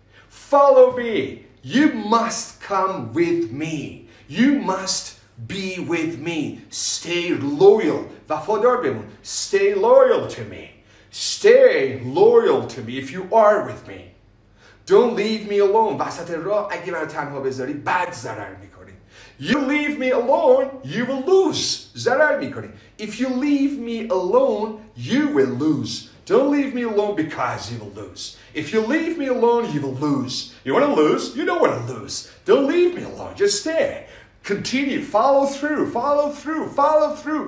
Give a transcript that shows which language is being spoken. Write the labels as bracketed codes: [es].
[en] Follow me. You must come with me. You must be with me. Stay loyal. [fa] وفادار بمون. [en] Stay loyal to me. Stay loyal to me if you are with me. Don't leave me alone. [fa] وسط راه اگه منو تنها بذاری بد ضرر میکنی. [en] You leave me alone, you will lose. [fa] ضرر میکنی. [en] If you leave me alone, you will lose. Don't leave me alone because you will lose. If you leave me alone, you will lose. You want to lose? You don't want to lose. Don't leave me alone. Just stay. Continue. Follow through. Follow through. Follow through.